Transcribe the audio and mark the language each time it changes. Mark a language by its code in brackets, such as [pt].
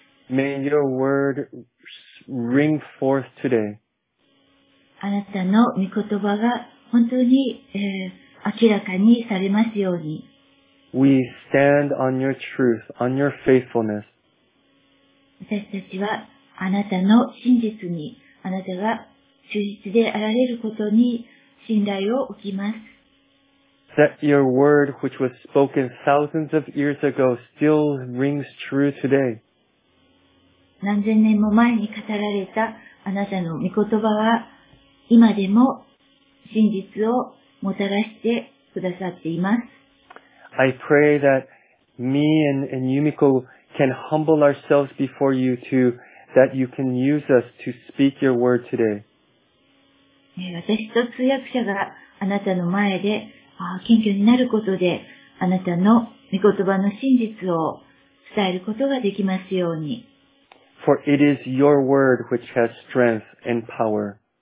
[en] May your word ring forth today. [ja] あなたの御言葉が本当に、明らかにされますように。 [en] We stand on your truth, on your faithfulness. [ja] 私たちはあなたの真実に、あなたが忠実であられることに信頼を置きます。 [en] That your word, which was spoken thousands of years ago, still rings true today. [ja] 何千年も前に語られたあなたの御言葉は、今でも真実をもたらしてくださっています。 [en] I pray that me and Yumiko can humble ourselves before you to, that you can use us to speak your word today. [ja] 私と通訳者があなたの前で、謙虚になることで、あなたの御言葉の真実を伝えることができますように。 [en] For it is your word which has strength and power.